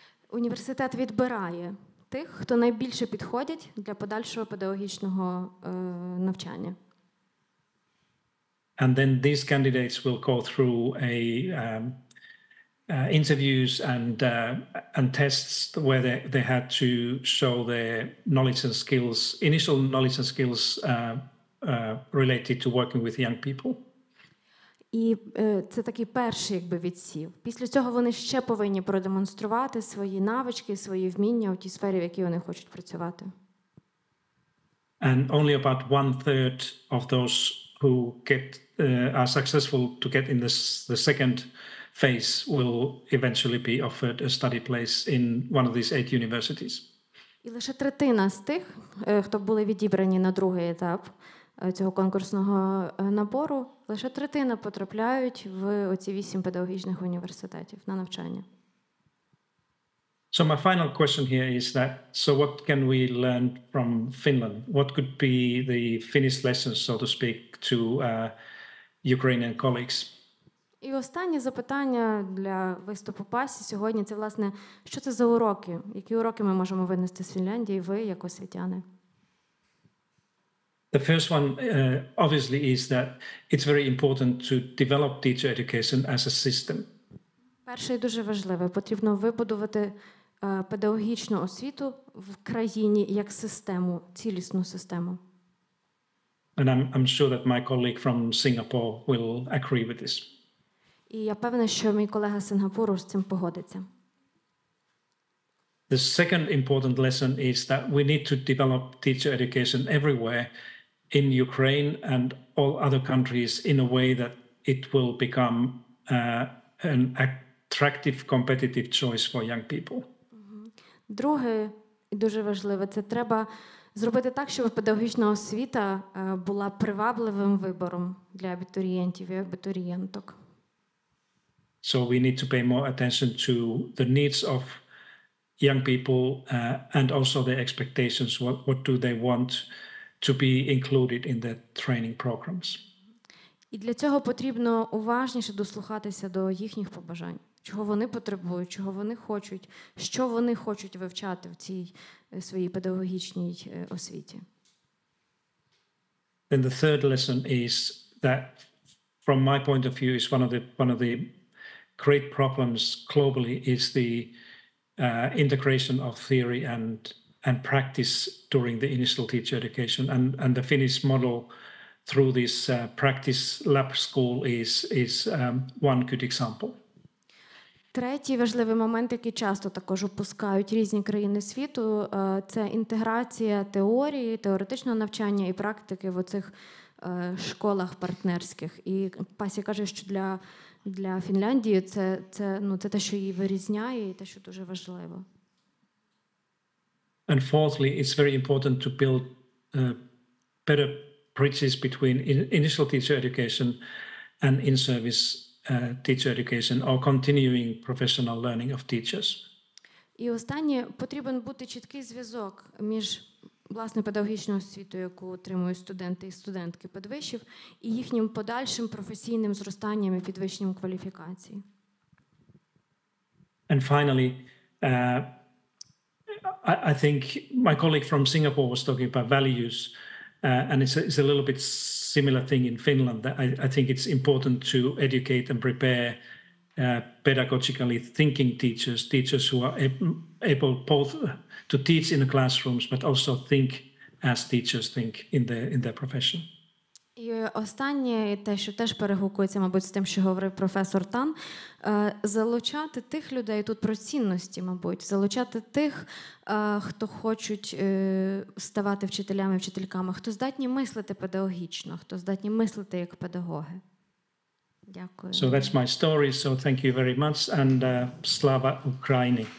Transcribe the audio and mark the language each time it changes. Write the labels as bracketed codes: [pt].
[uk] Університет відбирає тих, хто найбільше підходять для подальшого педагогічного навчання. [en] And then these candidates will go through interviews and tests where they had to show their knowledge and skills, initial knowledge and skills related to working with young people. [uk] І це такий перший, якби, відсів. Після цього вони ще повинні продемонструвати свої навички, свої вміння у тій сфері, в якій вони хочуть працювати. [en] And only about one third of those who are successful to get in the second phase will eventually be offered a study place in one of these eight universities. [uk] І лише третина з тих, хто були відібрані на другий етап цього конкурсного набору, лише третина потрапляють в оці вісім педагогічних університетів на навчання. [en] So my final question here is that, so what can we learn from Finland? What could be the Finnish lessons, so to speak, to Ukrainian colleagues? [uk] І останнє запитання для виступу Пасі сьогодні, це, власне, що це за уроки? Які уроки ми можемо винести з Фінляндії, ви, як освітяни? [en] The first one obviously is that it's very important to develop teacher education as a system. [uk] Перше і дуже важливе, потрібно вибудувати педагогічну освіту в країні як систему, цілісну систему. [en] And I'm sure that my colleague from Singapore will agree with this. [uk] І я певна, що мій колега з Сингапуру з цим погодиться. [en] The second important lesson is that we need to develop teacher education everywhere in Ukraine and all other countries in a way that it will become an attractive competitive choice for young people. [uk] Друге і дуже важливе, це треба зробити так, щоб педагогічна освіта була привабливим вибором для абітурієнтів і абітурієнток. [en] So we need to pay more attention to the needs of young people and also their expectations. What do they want to be included in the training programs? [uk] І для цього потрібно уважніше дослухатися до їхніх побажань. Чого вони потребують, чого вони хочуть, що вони хочуть вивчати в цій своїй педагогічній освіті. [en] Then the third lesson is that from my point of view is one of the great problems globally is the integration of theory and practice during the initial teacher education and the Finnish model through this practice lab school is one good example. [uk] Третій важливий момент, який часто також упускають різні країни світу, це інтеграція теорії, теоретичного навчання і практики в оцих школах партнерських. І Пасі каже, що для Фінляндії це те, що її вирізняє, і те, що дуже важливо. [en] And fourthly, it's very important to build better bridges between initial teacher education and in-service teacher education or continuing professional learning of teachers. [uk] І останнє, потрібен бути чіткий зв'язок між власне педагогічною освітою, яку отримують студенти і студентки підвищів, і їхнім подальшим професійним зростанням і підвищенням кваліфікації. [en] And finally, I think my colleague from Singapore was talking about values. And it's a little bit similar thing in Finland that I think it's important to educate and prepare pedagogically thinking teachers who are able both to teach in the classrooms but also think as teachers think in their profession. [uk] І останнє, і те, що теж перегукується, мабуть, з тим, що говорив професор Тан, залучати тих людей тут про цінності, мабуть, залучати тих, хто хочуть ставати вчителями, вчительками, хто здатні мислити педагогічно, хто здатні мислити як педагоги. Дякую. [en] So that's my story, so thank you very much, and [uk] Slava Україні!